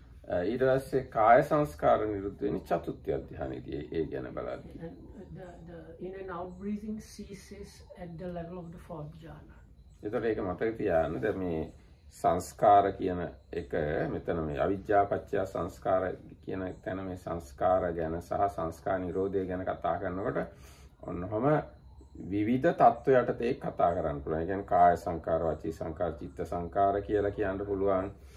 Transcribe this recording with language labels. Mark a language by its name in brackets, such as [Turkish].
[Sinhala] ඊට පස්සේ කාය සංස්කාර නිරුද්ධ වෙන චතුත්ථ අධ්‍යානෙදී ඒ ගැන බලද්දී [English] the in and out breathing ceases at the level of the fourth jhana. [Sinhala] ඒතර ඒක මතක තියාගන්න. දැන් මේ සංස්කාර කියන එක මෙතන මේ අවිජ්ජා පත්‍ය සංස්කාර කියන තැන මේ සංස්කාර ගැන සහ සංස්කාර නිරෝධය ගැන කතා කරනකොට ඔන්නෝම විවිධ තත්ත්ව යටතේ කතා කරන්න පුළුවන්. ඒ කියන්නේ කාය සංකාර, වචී සංකාර, චිත්ත සංකාර කියලා කියන්න පුළුවන්.